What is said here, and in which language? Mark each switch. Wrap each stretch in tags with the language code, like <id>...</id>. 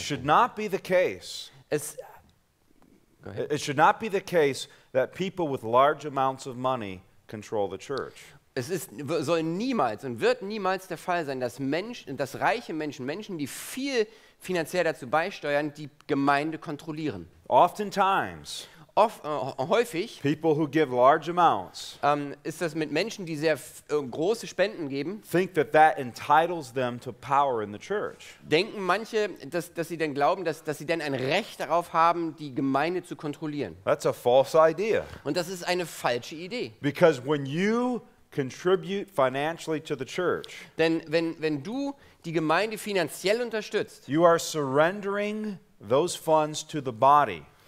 <en>It should not be the case. It should not be the case that people with large amounts of money control the church.</en> <de>Es ist, soll niemals und wird niemals der Fall sein, dass Menschen, dass reiche Menschen, Menschen, die viel finanziell dazu beisteuern, die Gemeinde kontrollieren.</de> <en>Oftentimes,</en> <de>häufig,</de> <en>people who give large amounts,</en> <de>ist das mit Menschen, die sehr große Spenden geben,</de> <en>think that entitles them to power in the church.</en> <de>Denken manche, dass sie dann glauben, dass sie dann ein Recht darauf haben, die Gemeinde zu kontrollieren.</de> <en>That's a false idea.</en> <de>Und das ist eine falsche Idee.</de> <en>Because when you contribute financially to the church,</en> <de>denn wenn du die Gemeinde finanziell unterstützt,</de> <en>you are surrendering those funds to the body.</en>